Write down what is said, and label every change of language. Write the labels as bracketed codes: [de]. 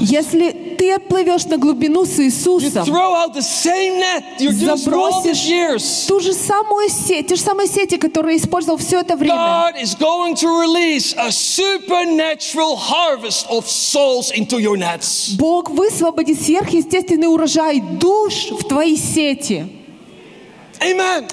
[ru] Если ты отплывешь на глубину с Иисусом. [en] You throw out the same net you're using for all these years. [ru] Ту же самую сеть, те же самые сети, которые использовал все это время. [en] God is going to release a supernatural harvest of souls into your nets. [ru] Бог высвободит сверхъестественный урожай душ в твои сети. [en] Amen.